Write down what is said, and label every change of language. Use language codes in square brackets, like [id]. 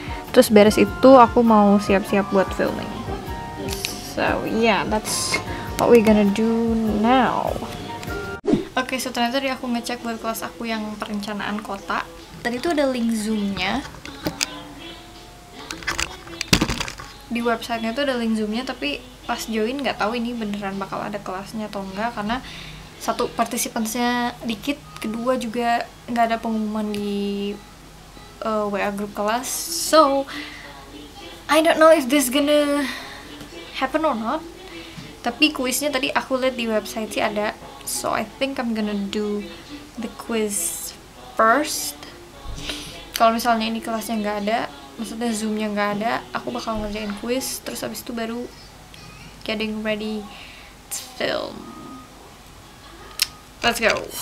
[id] Terus beres itu, aku mau siap-siap buat filming. [en] So yeah, that's what we're gonna do now. [id] Okay, so ternyata tadi aku ngecek buat kelas aku yang perencanaan kota. Tadi tuh ada link Zoom-nya. Di website-nya tuh ada link Zoom-nya, tapi pas join gak tahu ini beneran bakal ada kelasnya atau enggak. Karena satu, participants-nya dikit. Kedua, juga gak ada pengumuman di WA grup kelas. [en] So, I don't know if this gonna happen or not. [id] Tapi quiz-nya tadi aku lihat di website sih ada. [en] So I think I'm gonna do the quiz first. [id] Kalau misalnya ini kelasnya nggak ada, maksudnya Zoom-nya nggak ada, aku bakal ngerjain quiz. Terus abis itu baru [en] getting ready to film. Let's go.